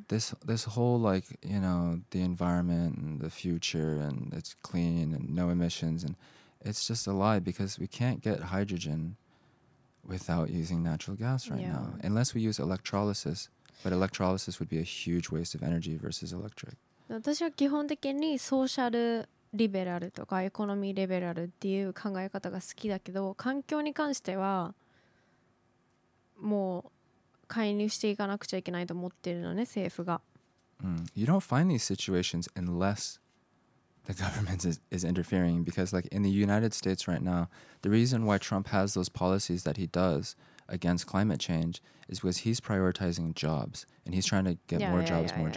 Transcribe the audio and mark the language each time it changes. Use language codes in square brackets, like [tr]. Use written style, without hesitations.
[en] This whole, like, you know, the environment and the future and it's clean and no emissions, and it's just a lie because we can't get hydrogen without using natural gas right now. Unless we use electrolysis, but electrolysis would be a huge waste of energy versus electric. [ja] 私は基本的にソーシャルリベラルとかエコノミーリベラルっていう考え方が好きだけど、環境に関してはもう介入していかなくちゃいけないと思ってるのね、政府が。 [en] You don't find these situations unless the government is interfering, because like in the United States right now, the reason why Trump has those policies that he does against climate change is because he's prioritizing jobs and he's trying to get more jobs.